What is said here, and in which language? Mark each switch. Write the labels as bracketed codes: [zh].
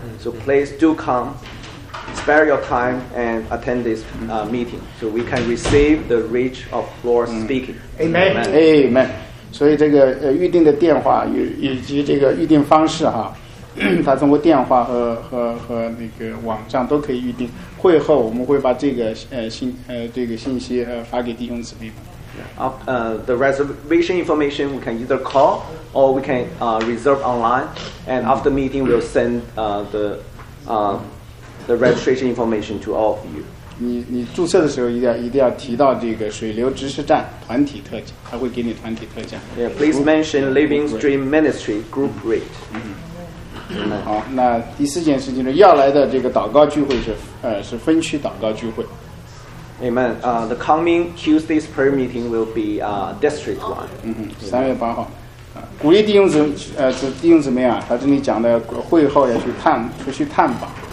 [en] So please do come, spare your time and attend this meeting so we can receive the reach of Lord speaking. Amen. Amen. [zh] 所以这个预定的电话以及这个预定方式他通过电话和那个网站都可以预定。会后我们会把这个信息发给弟兄姊妹们。 [en] The reservation information we can either call or we can reserve online. And after meeting, we'll send the the registration information to all of you. [zh] 你注册的时候一定要提到这个水流直视站团体特价，他会给你团体特价。 [en] Yeah, please mention Living Stream Ministry group rate. [zh] 嗯，好，那第四件事情呢，要来的这个祷告聚会是分区祷告聚会。 [en] Amen. The coming Tuesday's prayer meeting will be district one. [zh] 嗯，三月八号。鼓励弟兄姊妹啊，他这里讲的会后要出去探访。